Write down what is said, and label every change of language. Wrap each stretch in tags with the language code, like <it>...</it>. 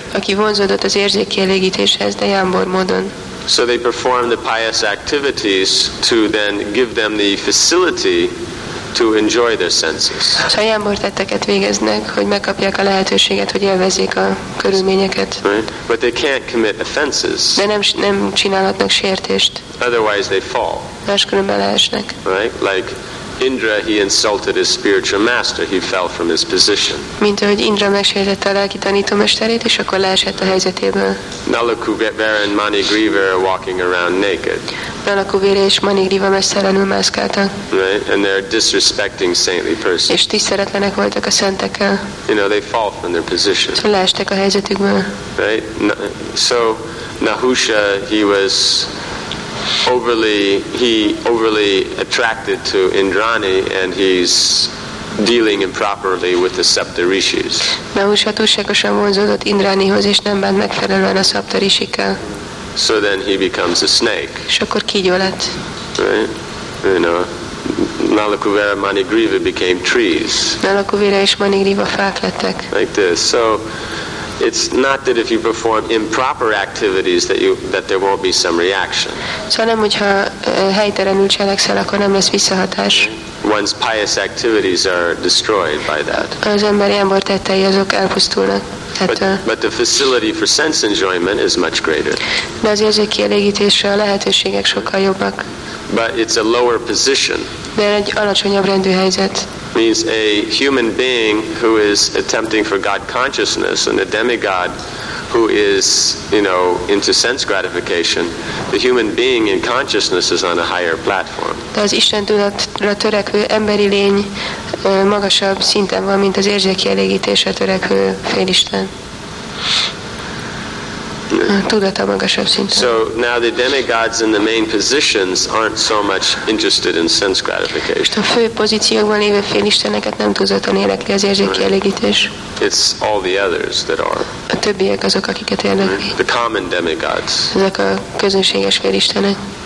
<hu>Aki vonzódott az érzékielégítéshez, de jámbor módon.</hu> <en>So they perform the pious activities to then give them the facility to enjoy their senses.</en> <hu>A jámbor tetteket végeznek, hogy megkapják a lehetőséget, hogy élvezzék a körülményeket.</hu> <en>Right? But they can't commit offenses.</en> <hu>De nem csinálhatnak sértést.</hu> <en>Otherwise they fall.</en> <hu>Máskülönben leesnek.</hu> <en>Right? Like Indra, he insulted his spiritual master. He fell from his position.</en> <hu>Mint ahogy Indra megsértette a lelki tanítómesterét, és akkor leesett a helyzetéből.</hu> <en>Nalakuvera and Manigriva are walking around naked.</en> <hu>Nalakuvera és Manigriva mesztelenül mászkáltak.</hu> <en>Right, and they're disrespecting saintly persons.</en> <hu>És tiszteletlenek voltak a szentekkel.</hu> <en>You know, they fall from their position.</en> <hu>Leestek a helyzetükből.</hu> <en>Right, so Nahusha, he was overly attracted to Indrani and he's dealing improperly with the Sapta Rishis.</en> <hu>Nahusha túlságosan vonzódott Indranihoz és nem bánt megfelelően a Sapta Rishikkel.</hu> <en>So then he becomes a snake.</en> <hu>És akkor kígyó lett.</hu> <en>Right? You know, Nalakuvera Manigriva became trees.</en> <hu>Nalakuvera és Manigriva fák lettek.</hu> <en>Like this. So it's not that if you perform improper activities that there won't be some reaction.</en> <hu>Szóval nem, hogyha helytelenül cselekszel, akkor nem lesz visszahatás.</hu> <en>One's pious activities are destroyed by that.</en> <hu>Az emberi ember tettei azok elpusztulnak.</hu> <en>But the facility for sense enjoyment is much greater.</en> <hu>De az érzékielégítésre a lehetőségek sokkal jobbak.</hu> <en>But it's a lower position.</en> <hu>De egy alacsonyabb rendű helyzet.</hu> <en>Means a human being who is attempting for God consciousness and a demigod who is, you know, into sense gratification, the human being in consciousness is on a higher platform.</en> <hu>De az Isten tudatra törekvő emberi lény magasabb szinten van, mint az érzékielégítésre törekvő félisten. Tudata magasabb szinten.</hu> <en>So now the demigods in the main positions aren't so much interested in sense gratification.</en> <hu>A fő pozíciókban lévő félisteneket nem tudottan érdekli az érzékielégítés.</hu> <en>It's all the others that are.</en> <hu>A többiek azok, akiket érdekli.</hu> <en>The common demigods.</en> <hu>Ezek a közönséges félistenek.</hu>